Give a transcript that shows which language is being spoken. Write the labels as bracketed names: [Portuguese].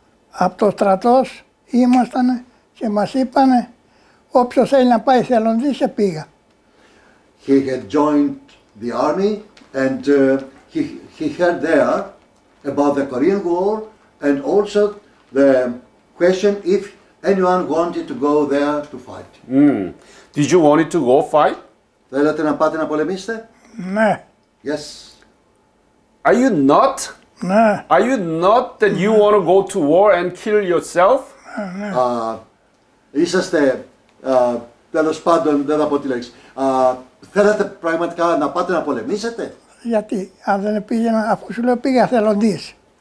[Greek] Από το στρατό ήμασταν και μας είπανε όποιος θέλει να πάει θελοντή σε πήγα. [English] He had joined the army and he heard there about the Korean War and also the question if anyone wanted to go there to fight. Mm. Did you want to go fight? [Greek] Θέλατε να πάτε να πολεμήσετε? Ναι. [English] Yes. Are you not? [Greek] Ναι. [English] Are you not that you want to go to war and kill yourself? [Greek] Ναι. Είσαστε, τέλος πάντων, δεν θα πω τη λέξη. Θέλατε πραγματικά να πάτε να πολεμήσετε? Γιατί, αν δεν πήγαινα, αφού σου λέω πήγα θελοντής.